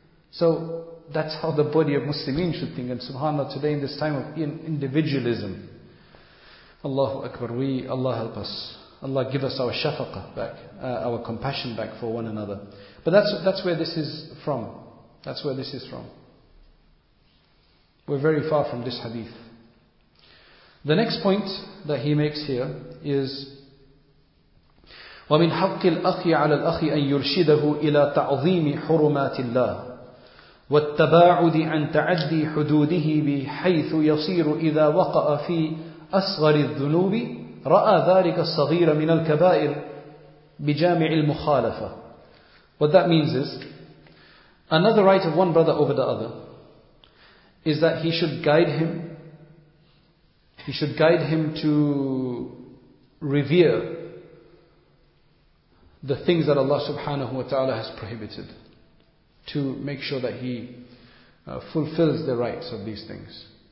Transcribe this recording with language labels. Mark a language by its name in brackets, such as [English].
[English] So that's how the body of Muslimin should think. And subhanAllah, today in this time of individualism, Allahu Akbar, Allah help us. Allah give us our shafaqah back, our compassion back for one another. But that's where this is from. That's where this is from. We're very far from this hadith. The next point that he makes here is, [Arabic] وَمِنْ حَقِّ الْأَخِي عَلَى الْأَخِي أَنْ يُرْشِدَهُ إِلَىٰ تَعْظِيمِ حُرُمَاتِ اللَّهِ وَالتَّبَاعُدِ عَنْ تَعَدِّي حُدُودِهِ بِحَيْثُ يَصِيرُ إِذَا وَقَأَ فِي أَصْغَرِ الذُّنُوبِ رَأَى ذَلِكَ الصَّغِيرَ مِنَ الْكَبَائِرِ بِجَامِعِ الْمُخَالَفَةِ. [English] What that means is, another right of one brother over the other is that he should guide him. He should guide him to revere the things that Allah subhanahu wa ta'ala has prohibited, to make sure that he fulfills the rights of these things.